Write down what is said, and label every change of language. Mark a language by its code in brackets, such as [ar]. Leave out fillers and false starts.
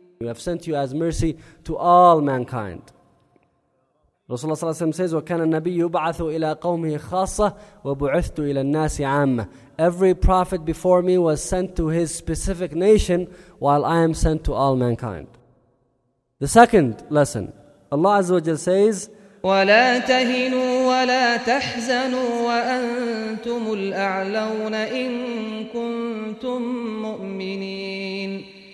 [en] We have sent you as mercy to all mankind. [ar] Rasulullah صلى الله عليه وسلم [en] says, [ar] وَكَانَ النَّبِيُّ يُبْعَثُ إِلَىٰ قَوْمِهِ خَاصَّةً وَبُعِثْتُ إِلَىٰ النَّاسِ عَامَّةً. [en] Every prophet before me was sent to his specific nation, while I am sent to all mankind. The second lesson, Allah عز وجل says, [ar] وَلَا تَهِنُوا وَلَا تَحْزَنُوا وَأَنْتُمُ الْأَعْلَوْنَ إِن كُنْتُم مُؤْمِنِينَ.